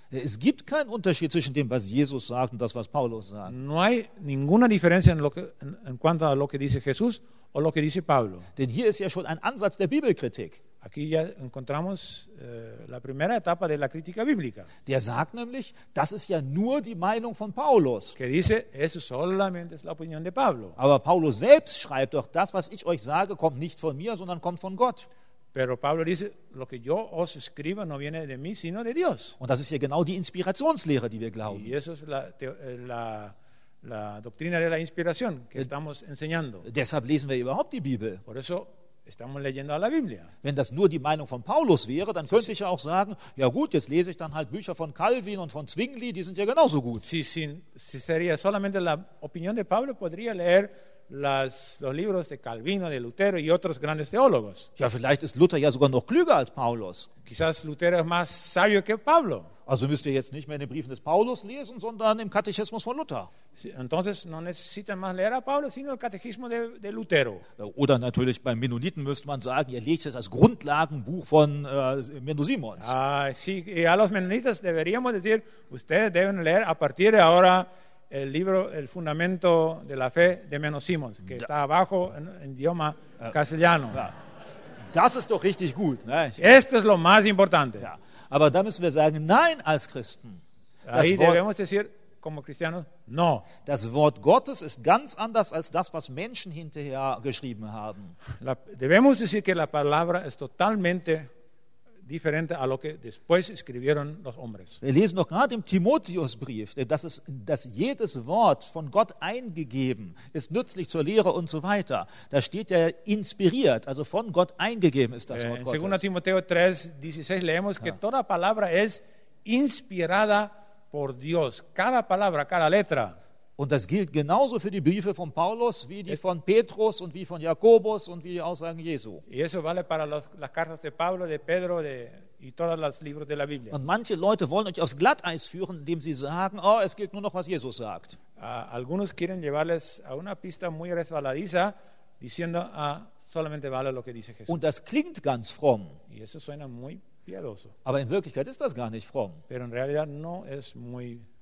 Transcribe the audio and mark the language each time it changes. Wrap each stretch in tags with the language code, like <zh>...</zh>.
<de>Es gibt keinen Unterschied zwischen dem, was Jesus sagt und das, was Paulus sagt.</de> <es>No hay ninguna diferencia en cuanto a lo que dice Jesús o lo que dice Pablo.</es> <de>Denn hier ist ja schon ein Ansatz der Bibelkritik.</de> <es>Aquí ya encontramos la primera etapa de la crítica bíblica.</es> <de>Der sagt nämlich, das ist ja nur die Meinung von Paulus.</de> <es>Que dice, eso solamente es la opinión de Pablo.</es> <de>Aber Paulus selbst schreibt doch, das, was ich euch sage, kommt nicht von mir, sondern kommt von Gott.</de> <es>Pero Pablo dice, lo que yo os escribo no viene de mí, sino de Dios.</es> <de>Und das ist ja genau die Inspirationslehre, die wir glauben.</de> <es>Y eso es la doctrina de la inspiración que estamos enseñando.</es> <de>Deshalb lesen wir überhaupt die Bibel.</de> <es>Por eso estamos leyendo a la Biblia.</es> <de>Wenn das nur die Meinung von Paulus wäre, dann könnte ich ja auch sagen, ja gut, jetzt lese ich dann halt Bücher von Calvin und von Zwingli, die sind ja genauso gut.</de> <es>Si sería solamente la opinión de Pablo, podría leer los libros de Calvino, de Lutero y otros grandes teólogos.</es> <de>Ja, vielleicht ist Luther ja sogar noch klüger als Paulus.</de> <es>Quizás Lutero es más sabio que Pablo.</es> <de>Also müsst ihr jetzt nicht mehr in den Briefen des Paulus lesen, sondern im Katechismus von Luther.</de> <es>Entonces no necesitan más leer a Pablo, sino el catecismo de Lutero.</es> <de>Oder natürlich beim Mennoniten müsste man sagen, ihr lest es als Grundlagenbuch von Mendosimons.</de> <es>Sí, y a los menonitas deberíamos decir, ustedes deben leer a partir de ahora el libro El Fundamento de la Fe de Mendosimons, que está abajo en idioma castellano.</es> <de>Das ist doch richtig gut. Ne?</de> <es>Esto es lo más importante.</es> <de>Ja. Aber da müssen wir sagen, nein, als Christen.</de> <es>Ahí debemos decir, como cristianos, no.</es> <de>Das Wort Gottes ist ganz anders als das, was Menschen hinterher geschrieben haben.</de> <es>Debemos decir que la palabra es totalmente diferente a lo que después escribieron los hombres.</es> <de>Wir lesen doch gerade im Timotheusbrief, dass jedes Wort von Gott eingegeben ist nützlich zur Lehre und so weiter. Da steht ja inspiriert, also von Gott eingegeben ist das Wort Gottes.</de> <es>En 2 Timoteo 3:16 leemos que toda palabra es inspirada por Dios. Cada palabra, cada letra.</es> <de>Und das gilt genauso für die Briefe von Paulus wie die von Petrus und wie von Jakobus und wie die Aussagen Jesu.</de> <es>Y eso vale para las cartas de Pablo, de Pedro, y todos los libros de la Biblia.</es> <de>Und manche Leute wollen euch aufs Glatteis führen, indem sie sagen, oh, es gilt nur noch, was Jesus sagt.</de> <es>Algunos quieren llevarles a una pista muy resbaladiza, diciendo, solamente vale lo que dice Jesús.</es> <de>Und das klingt ganz fromm.</de> <es>Y eso suena muy piadoso.</es> <de>Aber in Wirklichkeit ist das gar nicht fromm.</de> <es>Pero en realidad no es muy</es>